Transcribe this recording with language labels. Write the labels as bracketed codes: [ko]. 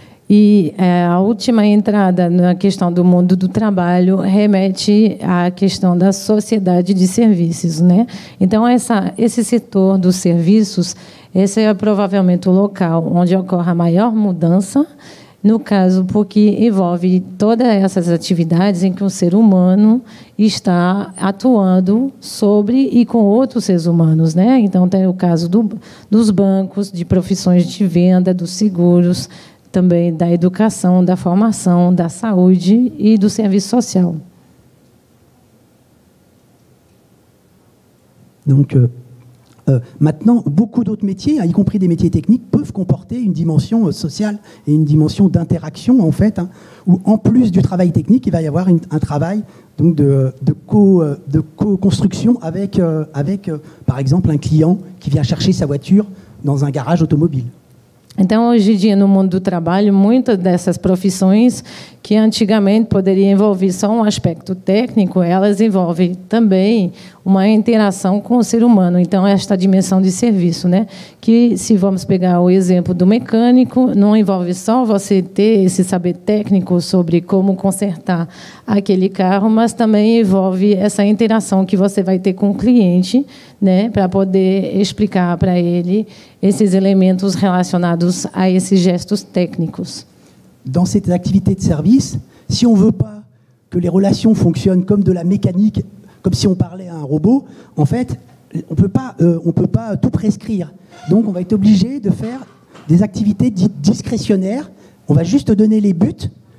[pt] E a última entrada na questão do mundo do trabalho remete à questão da sociedade de serviços, né? Então, esse setor dos serviços, esse é provavelmente o local onde ocorre a maior mudança, no caso, porque envolve todas essas atividades em que um ser humano está atuando sobre e com outros seres humanos, né? Então, tem o caso dos bancos, de profissões de venda, dos seguros, também da educação, da formação, da saúde e do serviço social. [fr] Donc, maintenant, beaucoup d'autres métiers, y compris des métiers techniques, peuvent comporter une dimension sociale et une dimension d'interaction, en fait, hein, où en plus du travail technique, il va y avoir un travail donc de co-construction avec par exemple, un client qui vient chercher sa voiture dans un garage automobile. [pt] Então, hoje em dia, no mundo do trabalho, muitas dessas profissões que antigamente poderiam envolver só um aspecto técnico, elas envolvem também uma interação com o ser humano. Então, esta dimensão de serviço, né? Que, se vamos pegar o exemplo do mecânico, não envolve só você ter esse saber técnico sobre como consertar aquele carro, mas também envolve essa interação que você vai ter com o cliente, né? Para poder explicar para ele esses elementos relacionados a esses gestos técnicos. [fr] Dans cette activité de service, si on ne veut pas que les relations fonctionnent comme de la mécanique, comme si on parlait à un robot, en fait, on peut pas tout prescrire. Donc on va être obligé de faire des activités dites discrétionnaires. On va juste donner les buts.